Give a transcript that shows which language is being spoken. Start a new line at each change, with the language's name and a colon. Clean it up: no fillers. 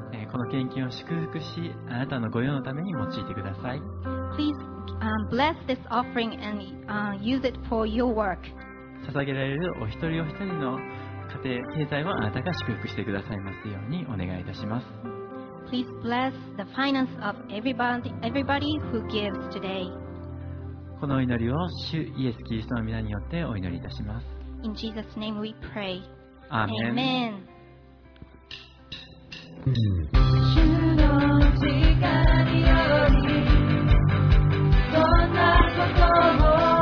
Japanese: この献金を祝福しあなたの御用のために用いてください。
English: Please, bless this offering and, use it for your work.
Japanese: 捧げられるお一人お一人の家庭経済をあなたが祝福してくださいますようにお願いいたします。
English: Please bless the finance of everybody who gives today.
Japanese: このお祈りを主イエスキリストの御名によってお祈りいたします。
English: In Jesus' name we pray. Amen. Amen.
Japanese: 主の力によりどんなことも